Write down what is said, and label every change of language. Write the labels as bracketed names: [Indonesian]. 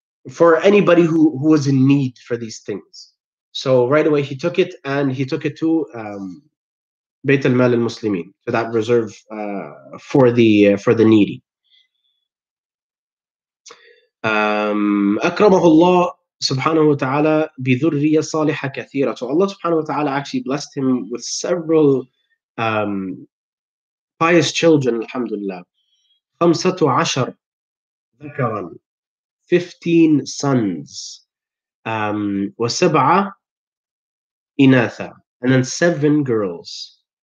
[English] For anybody who was in need for these things. So right away he took it and he took it to Bayt al-Mal al-Muslimin, to that reserve for the needy. [Arabic] أكرمه الله سبحانه وتعالى بذرية صالحة كثيرة. [English] So Allah subhanahu wa ta'ala actually blessed him with several pious children, alhamdulillah. [Arabic] 15 ذكرا, [English] 15 sons, [Arabic] وسبعة إناثا, [English] and then 7 girls.